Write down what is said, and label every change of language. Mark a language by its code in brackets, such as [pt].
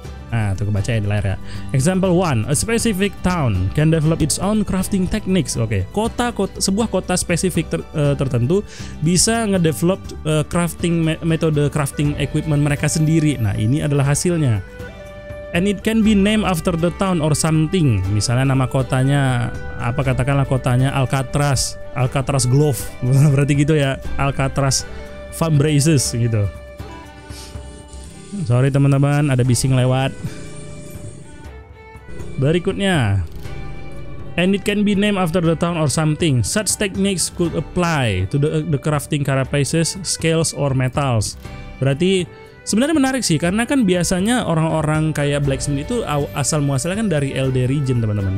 [id] Nah, tuh kebacain di layar ya. [en] Example 1, a specific town can develop its own crafting techniques. Oke, okay. [id] sebuah kota spesifik tertentu bisa ngedevelop metode crafting equipment mereka sendiri. Nah, ini adalah hasilnya. [en] And it can be named after the town or something. [id] Misalnya nama kotanya apa, katakanlah kotanya Alcatraz Glove. Berarti gitu ya, Alcatraz Fun Braces gitu. Sorry teman-teman, ada bising lewat. [en] Berikutnya, and it can be named after the town or something. Such techniques could apply to the crafting carapaces, scales, or metals. [id] Berarti sebenarnya menarik sih, karena kan biasanya orang-orang kayak blacksmith itu asal muasalnya kan dari LD region teman-teman.